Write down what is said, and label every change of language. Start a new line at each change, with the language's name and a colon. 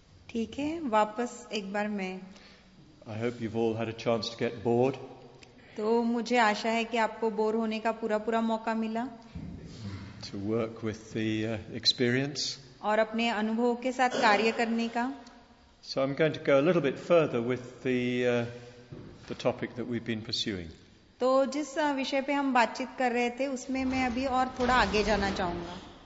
Hindi: ठीक है, वापस एक बार मैं.
English: I hope you've all had a chance to get bored.
Hindi: तो मुझे आशा है कि आपको बोर होने का पूरा पूरा मौका मिला.
English: To work with the experience.
Hindi: और अपने अनुभव के साथ कार्य करने का.
English: So I'm going to go a little bit further with the topic that we've been pursuing.
Hindi: तो जिस विषय पे हम बातचीत कर रहे थे उसमें मैं अभी और थोड़ा आगे जाना चाहूंगा.